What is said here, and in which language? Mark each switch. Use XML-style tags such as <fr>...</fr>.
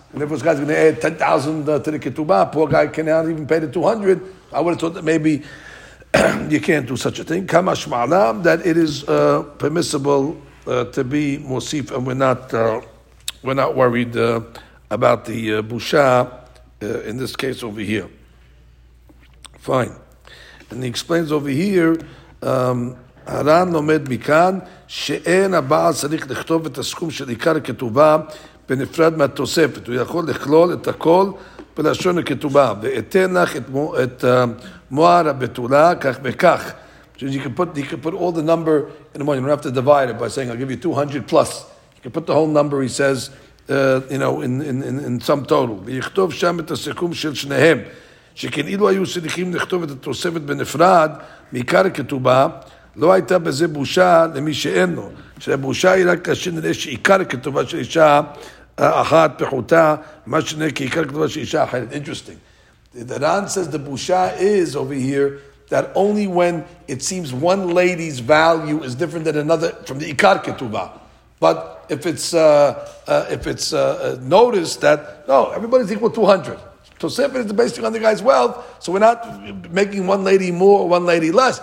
<en>And if this guy's going to add 10,000 to the ketubah, poor guy cannot even pay the 200. I would have thought that maybe you can't do such a thing.</en> <he>Kamash ma'alam,</he> <en>that it is permissible to be mosif, and we're not worried about the busha in this case over here. Fine. And he explains over here,</en> <he>Haran lomed mikan, she'en abaal sarich lechtov et haskum shel ikar ketubah, בנפרד מהתוספת, הוא יכול לכלול את הכל בלשון הכתובה, ואתן לך את מואר הבתולה, כך וכך.</he> <en>So you can put all the number in the morning. You don't have to divide it by saying, I'll give you 200 plus. You can put the whole number, he says, in some total.</en> <he>ויכתוב שם את הסיכום של שניהם, שכן אילו היו צריכים לכתוב את התוספת בנפרד, מעיקר הכתובה, לא הייתה בזה בושה למי שאין לו. שהבושה היא רק כאשר נראה שעיקר כתובה של אישה אחת פחותה, מה שנראה כעיקר כתובה של אישה אחרת.</he> <en>Interesting. The Ran says the busha is over here that only when it seems one lady's value is different than another from the עיקר כתובה. But if it's noticed that, no, everybody's equal 200. Tosefet is based on the guy's wealth, so we're not making one lady more, one lady less.</en>